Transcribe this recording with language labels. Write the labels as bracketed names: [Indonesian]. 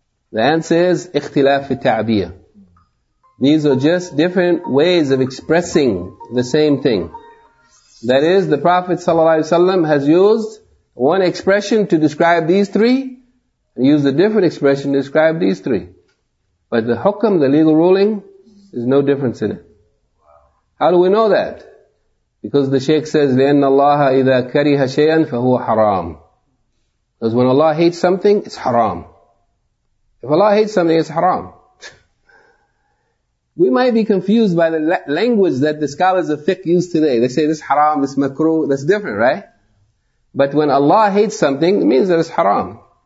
[English] The answer is, Ikhtilaf Al-Ta'biyah. These are just different ways of expressing the same thing. That is, the Prophet ﷺ has used one expression to describe these three, and used a different expression to describe these three. But the hukum, the legal ruling, there's no difference in it. How do we know that? Because the Shaykh says, [Arabic] لِأَنَّ اللَّهَ إِذَا كَرِهَ شَيْئًا فَهُوَ حَرَامٌ. [English] Because when Allah hates something, it's haram. If Allah hates something, it's haram. We might be confused by the language that the scholars of fiqh use today. They say this haram, this makruh, that's different, right? But when Allah hates something, it means that it's haram.